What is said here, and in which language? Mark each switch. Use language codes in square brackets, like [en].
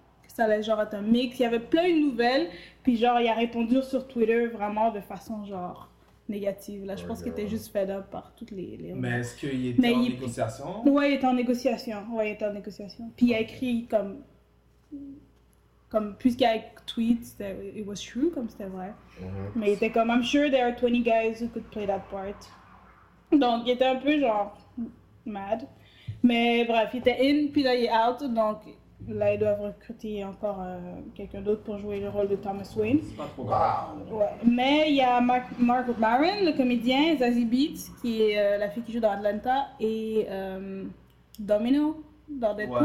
[fr] Que ça allait genre être un mix. Il y avait plein de nouvelles, puis genre, il a répondu sur Twitter vraiment de façon genre négative. Là, je pense qu'il était juste fed up par toutes les... Mais est-ce qu'il était en négociation? Ouais, il était en négociation. Puis il a écrit comme puisqu'il y a tweet, c'était... [en] It was true, [fr] comme c'était vrai. Mm-hmm. Mais il était comme, [en] I'm sure there are 20 guys who could play that part. [fr] Donc, il était un peu genre mad. Mais bref, il était in, puis là, il est out. Donc, là, ils doivent recruter encore quelqu'un d'autre pour jouer le rôle de Thomas Wayne. C'est pas trop grave. Ouais. Mais il y a Mark Maron, le comédien, Zazie Beetz, qui est la fille qui joue dans Atlanta, et Domino dans Deadpool.